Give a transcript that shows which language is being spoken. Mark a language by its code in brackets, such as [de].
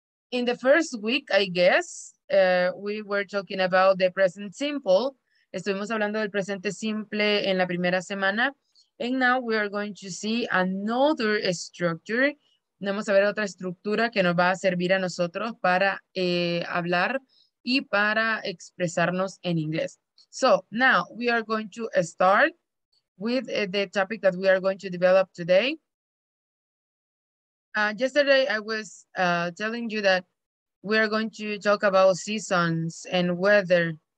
[en] In the first week, I guess, we were talking about the present simple. [es] Estuvimos hablando del presente simple en la primera semana. [en] And now we are going to see another structure. [es] Vamos a ver otra estructura que nos va a servir a nosotros para hablar y para expresarnos en inglés. [en] So now we are going to start with the topic that we are going to develop today. Yesterday I was telling you that we are going to talk about seasons and weather.